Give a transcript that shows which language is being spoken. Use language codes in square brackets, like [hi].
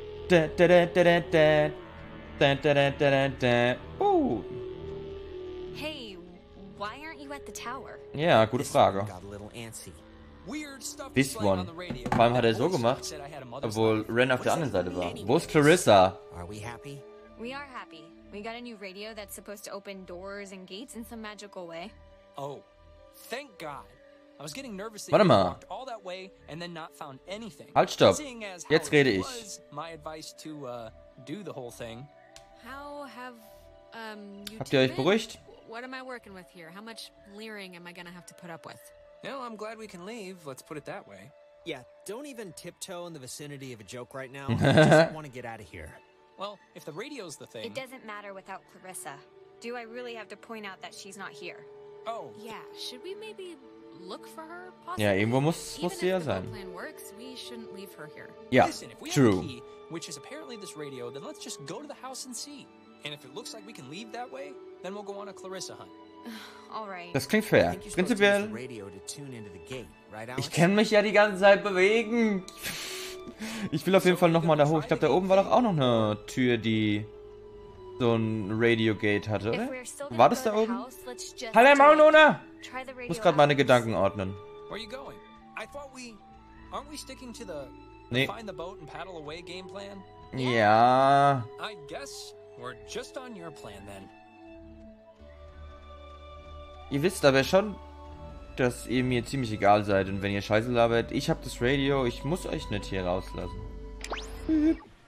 [en] Hey, why aren't you at the tower? [de] Ja, gute Frage. [en] This one. [de] Vor allem hat er so gemacht, obwohl Ren auf der anderen Seite war. Wo ist Clarissa? [en] Are we happy? We are happy. We got a new radio that's supposed to open doors and gates in some magical way. Oh, thank God. I was getting nervous. [de] Warte mal. [en] All that way and then not found anything. [de] Halt, stopp. Jetzt rede ich. [en] My advice to do the whole thing. How have you [de] Habt ihr euch beruhigt? [en] What am I working with here? How much leering am I gonna have to put up with? No, I'm glad we can leave. Let's put it that way. Yeah, don't even tiptoe in the vicinity of a joke right now. I just want to get out of here. Well, if the radio's the thing. It doesn't matter without Clarissa. Do I really have to point out that she's not here? Oh. Yeah, should we maybe look for her? Possibly? [de] Ja, irgendwo muss sie ja sein. [en] Plan works, we shouldn't leave her here. Yeah. Listen, if we true. Have a key, which is apparently this radio, then let's just go to the house and see. And if it looks like we can leave that way, then we'll go on a Clarissa hunt. All right. [de] Das klingt fair. Prinzipiell. [en] Radio to tune into the gate, right, [de] ich kann mich ja die ganze Zeit bewegen. Ich will auf jeden Fall nochmal da hoch. Ich glaube, da oben war doch auch noch eine Tür, die so ein Radio-Gate hatte, oder? War das da oben? Halle, Maunona! Ich muss gerade meine Gedanken ordnen. [en] Where are you going? I thought we... Aren't we sticking to the... [de] Nee. [en] Find the boat and paddle away game plan? [de] Ja. [en] I guess we're just on your plan then. [de] Ihr wisst aber schon, dass ihr mir ziemlich egal seid und wenn ihr Scheiße labert, ich hab das Radio, ich muss euch nicht hier rauslassen.